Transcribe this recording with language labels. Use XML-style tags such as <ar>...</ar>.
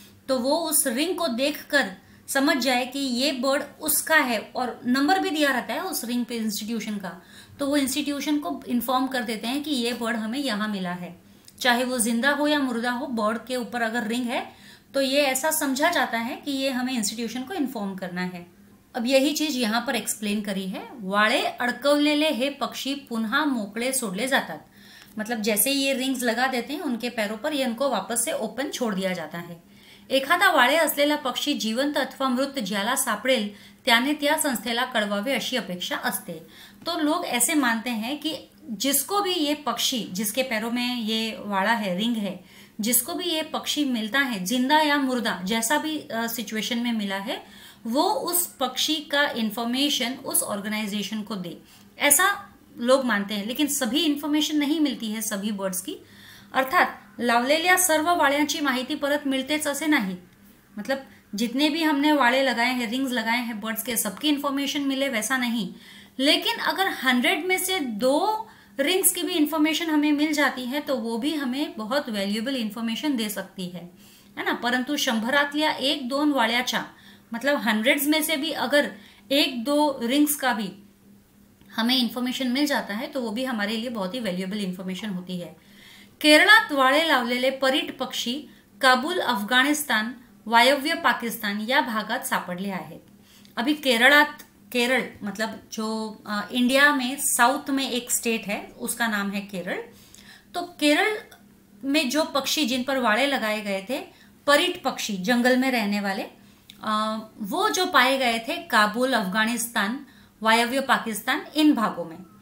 <hi>तो वो उस रिंग को देख कर समझ जाए कि ये बर्ड उसका है, और नंबर भी दिया रहता है उस रिंग पे इंस्टीट्यूशन का, तो वो इंस्टीट्यूशन को इन्फॉर्म कर देते हैं कि ये बर्ड हमें यहाँ मिला है, चाहे वो जिंदा हो या मुर्दा हो, बर्ड के ऊपर अगर रिंग है तो ये ऐसा समझा जाता है कि ये हमें इंस्टीट्यूशन को इन्फॉर्म करना है। अब यही चीज यहाँ पर एक्सप्लेन करी है,</hi> <mr>वाळे अडकवलेले हे पक्षी पुनः मोकळे सोडले जातात,</mr> <hi>मतलब जैसे ये रिंग्स लगा देते हैं उनके पैरों पर, ये उनको वापस से ओपन छोड़ दिया जाता है।</hi> <mr>एखादा वाळे असलेला पक्षी जिवंत अथवा मृत ज्याला सापडेल त्याने त्या संस्थेला कळवावे अशी अपेक्षा असते।</mr> <hi>तो लोग ऐसे मानते हैं कि जिसको भी ये पक्षी, जिसके पैरों में ये वाड़ा है, रिंग है, जिसको भी ये पक्षी मिलता है जिंदा या मुर्दा, जैसा भी सिचुएशन में मिला है, वो उस पक्षी का इंफॉर्मेशन उस ऑर्गेनाइजेशन को दे, ऐसा लोग मानते हैं। लेकिन सभी इन्फॉर्मेशन नहीं मिलती है सभी बर्ड्स की,</hi> <mr>अर्थात लावलेल्या सर्व वाळ्यांची माहिती परत मिळतेच असे नाही।</mr> <hi>मतलब जितने भी हमने वाळे लगाए हैं, रिंग्स लगाए हैं बर्ड्स के, सबकी इन्फॉर्मेशन मिले वैसा नहीं। लेकिन अगर 100 में से 2 रिंग्स की भी इन्फॉर्मेशन हमें मिल जाती है तो वो भी हमें बहुत वैल्यूएबल इन्फॉर्मेशन दे सकती है ना।</hi> <mr>परंतु 100 एक दोन वाळ्याचा,</mr> <hi>मतलब 100 में से भी अगर 1-2 रिंग्स का भी हमें इन्फॉर्मेशन मिल जाता है तो वो भी हमारे लिए बहुत ही वैल्यूएबल इन्फॉर्मेशन होती है।</hi> <mr>केरळात वाळे लावलेले परीट पक्षी काबूल, अफगाणिस्तान, वायव्य पाकिस्तान या भागात सापडले आहेत।</mr> <hi>अभी केरळात, केरळ मतलब जो इंडिया में साउथ में एक स्टेट है उसका नाम है केरळ। तो केरळ में जो पक्षी जिन पर वाळे लगाए गए थे, परीट पक्षी जंगल में रहने वाले, वो जो पाए गए थे काबुल, अफगानिस्तान, वायव्य पाकिस्तान इन भागों में।</hi>